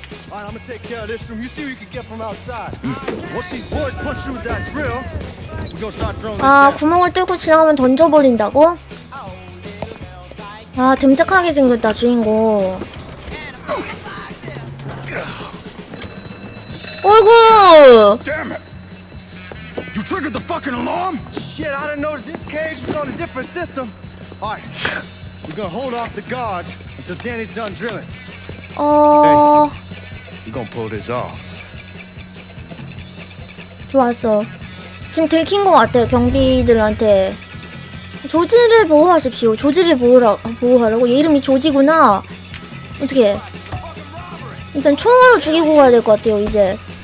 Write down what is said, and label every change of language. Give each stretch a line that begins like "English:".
English: Alright, I'm gonna take care of this room. You see what you can get from outside. Once these boys punch you with that drill, we're gonna start throwing.
Korean: 아 구멍을 뚫고 지나가면 던져버린다고? 아 듬직하게 생겼다 주인공. 어이구!
English: Damn it! You triggered the fucking alarm? Shit, I didn't notice this cage was on a different system. Alright, we're gonna hold off the guards until Danny's done drilling. Oh. Hey, you gonna pull this off?
Korean: 좋았어. 지금 들킨 것 같아요, 경비들한테. 조지를 보호하십시오. 조지를 보호하라고. 얘 이름이 조지구나. 어떻게? 일단 총으로 죽이고 가야 될 것 같아요, 이제.